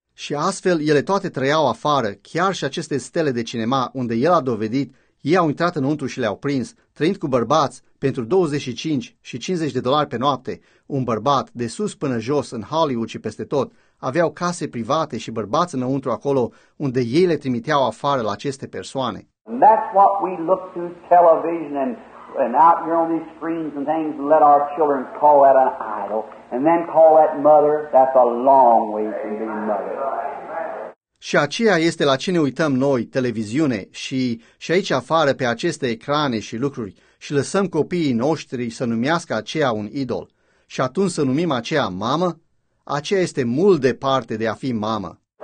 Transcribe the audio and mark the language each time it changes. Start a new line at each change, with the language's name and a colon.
Romanian: Și astfel ele toate trăiau afară, chiar și aceste stele de cinema unde el a dovedit, ei au intrat înăuntru și le-au prins, trăind cu bărbați pentru $25 și $50 pe noapte. Un bărbat, de sus până jos, în Hollywood și peste tot, aveau case private și bărbați înăuntru acolo unde ei le trimiteau afară la aceste persoane.
English: And that's what we look to television and out here on these screens and things and let our children call that an idol and then call that mother, that's a long way from being mother.
Romanian: Și aceea este la ce ne uităm noi, televiziune, și aici afară pe aceste ecrane și lucruri și lăsăm copiii noștri să numească aceea un idol. Și atunci să numim aceea mamă? Aceea este mult departe de a fi mamă.